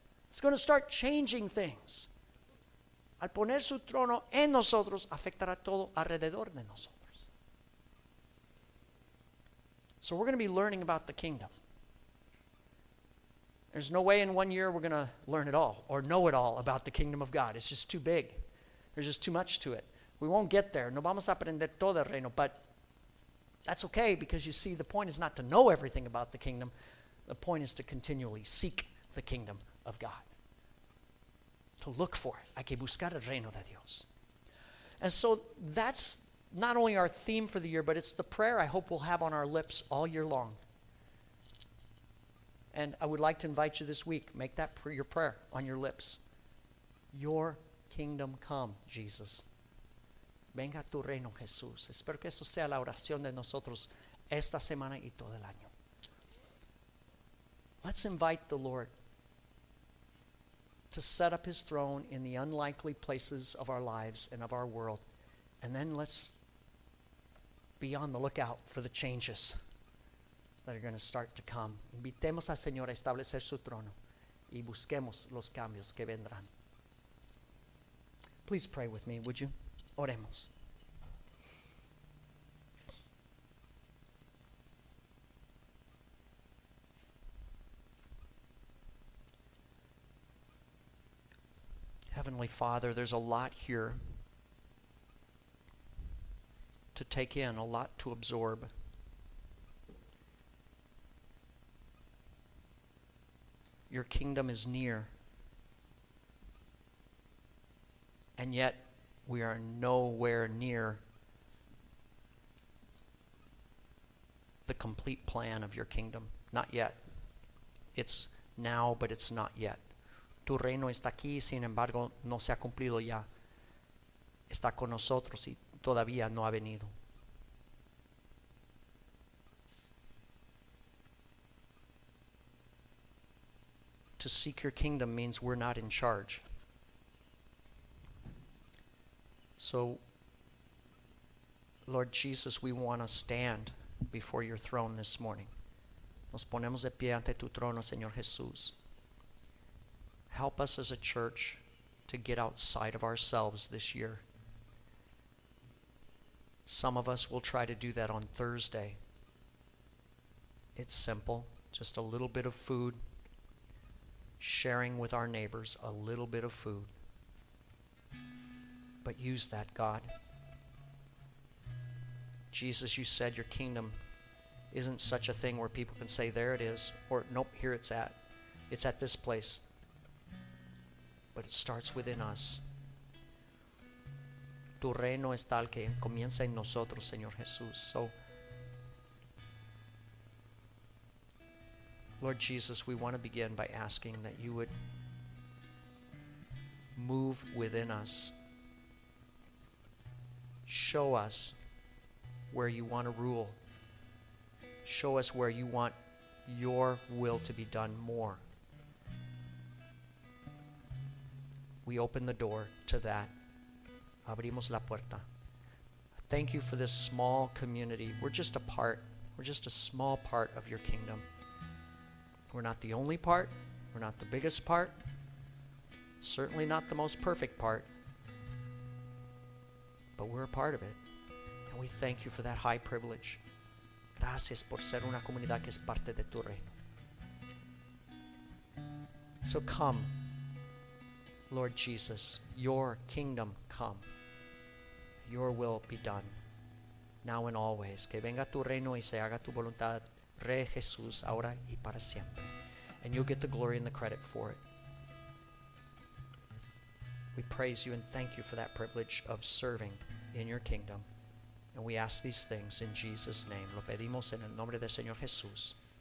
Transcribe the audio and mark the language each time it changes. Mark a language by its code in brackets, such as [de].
[en] It's going to start changing things. [es] Al poner su trono en nosotros, afectará todo alrededor de nosotros. [en] So we're going to be learning about the kingdom. There's no way in 1 year we're going to learn it all or know it all about the kingdom of God. It's just too big. There's just too much to it. We won't get there. [es] No vamos a aprender todo el reino, [en] but that's okay, because you see, the point is not to know everything about the kingdom. The point is to continually seek the kingdom of God. To look for it. [es] Hay que buscar el reino de Dios. [en] And so that's not only our theme for the year, but it's the prayer I hope we'll have on our lips all year long. And I would like to invite you this week, make that your prayer on your lips. Your kingdom come, Jesus. [es] Venga tu reino, Jesús. Espero que eso sea la oración de nosotros esta semana y todo el año. [en] Let's invite the Lord to set up his throne in the unlikely places of our lives and of our world. And then let's be on the lookout for the changes that are going to start to come. [es] Invitemos al Señor a establecer su trono y busquemos los cambios que vendrán. [en] Please pray with me, would you? [es] Oremos. [en] Heavenly Father, there's a lot here to take in, a lot to absorb. Your kingdom is near, and yet we are nowhere near the complete plan of your kingdom. Not yet. It's now, but it's not yet. [es] Tu reino está aquí, sin embargo, no se ha cumplido ya. Está con nosotros y todavía no ha venido. [en] To seek your kingdom means we're not in charge. So, Lord Jesus, we want to stand before your throne this morning. [es] Nos ponemos de pie ante tu trono, Señor Jesús. [en] Help us as a church to get outside of ourselves this year. Some of us will try to do that on Thursday. It's simple, just a little bit of food, sharing with our neighbors a little bit of food. But use that, God. Jesus, you said your kingdom isn't such a thing where people can say, there it is, or nope, here it's at. It's at this place. But it starts within us. [es] Tu reino es tal que comienza en nosotros, Señor Jesús. [en] So, Lord Jesus, we want to begin by asking that you would move within us. Show us where you want to rule. Show us where you want your will to be done more. We open the door to that. [es] Abrimos la puerta. [en] Thank you for this small community. We're just a part. We're just a small part of your kingdom. We're not the only part. We're not the biggest part. Certainly not the most perfect part. But we're a part of it. And we thank you for that high privilege. [es] Gracias por ser una comunidad que es parte de tu reino. [en] So come, Lord Jesus, your kingdom come. Your will be done, now and always. [es] Que venga tu reino y se haga tu voluntad, Rey Jesús, ahora y para siempre. [en] And you'll get the glory and the credit for it. We praise you and thank you for that privilege of serving in your kingdom. And we ask these things in Jesus' name. [es] Lo pedimos en el nombre del Señor Jesús.